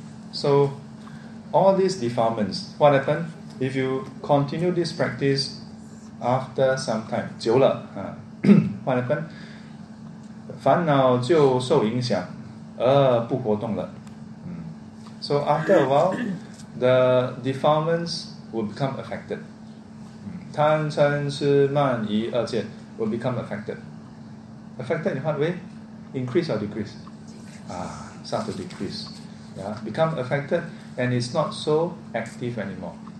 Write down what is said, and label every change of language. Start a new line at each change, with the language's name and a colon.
English: So, all these defilements, what happened? If you continue this practice after some time,
Chinese: 久了,
English: what happened?
Chinese: 烦恼就受影响,而不活动了。
English: So, after a while, the defilements will become affected.
Chinese: 贪嗔痴慢疑二见
English: will become affected. Affected in what way? Increase or decrease? Start to decrease. Yeah, become affected and it's not so active anymore.